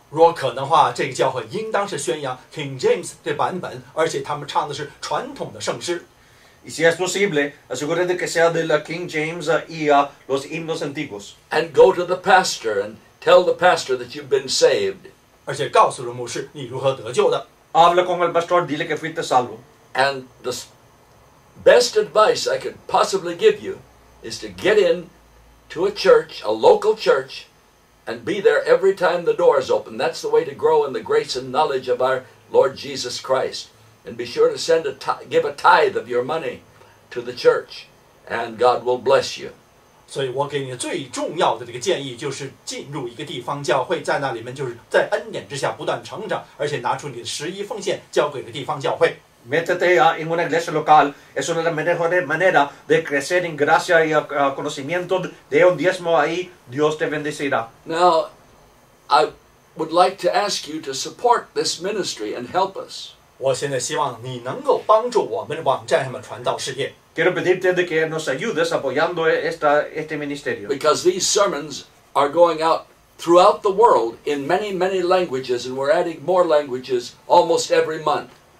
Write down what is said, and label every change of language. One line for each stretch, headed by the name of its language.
Chinese: 如果可能的话，这个教会应当是宣扬 King James 的版本，而且他们唱的是传统的圣诗。
Spanish: Y si es posible, asegúrate que sea de la King James y los himnos antiguos.
English: And go to the pastor and tell the pastor that you've been saved.
Chinese: 而且告诉了牧师你如何得救的。
Spanish: Habla con el pastor, dile que fuiste salvo.
English: And the best advice I could possibly give you is to get in to a church, a local church, and be there every time the door is open. That's the way to grow in the grace and knowledge of our Lord Jesus Christ. And be sure to send a give a tithe of your money to the church, and God will bless you.
Chinese: 所以我给你最重要的这个建议就是进入一个地方教会，在那里面就是在恩典之下不断成长，而且拿出你的十一奉献交给的地方教会。
Spanish: Métete en una iglesia local. Es una manera de crecer en gracia y conocimiento. De un diezmo ahí, Dios te bendecirá.
English: Now, I would like to ask you to support this ministry and help us.
Chinese: 我现在希望你能够帮助我们网站上的传道事业。
Spanish: Quiero pedirte que nos ayudes apoyando este ministerio.
English: Because these sermons are going out throughout the world in many, many languages, and we're adding more languages almost every month.